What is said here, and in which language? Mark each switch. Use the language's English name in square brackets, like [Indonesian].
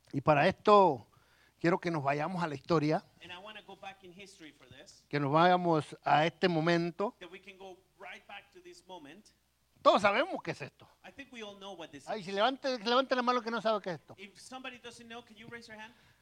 [Spanish] Y para esto, quiero que nos vayamos a la historia, [English] and I want to go back in history for this, [Spanish] que nos vayamos a este momento, [English] that we can go right back to this moment. [Spanish] Todos sabemos qué es esto. [English] I think we all know what this is. [Spanish] Ay, si levante la mano que no sabe qué es esto. [English] If somebody doesn't know, can you raise your hand?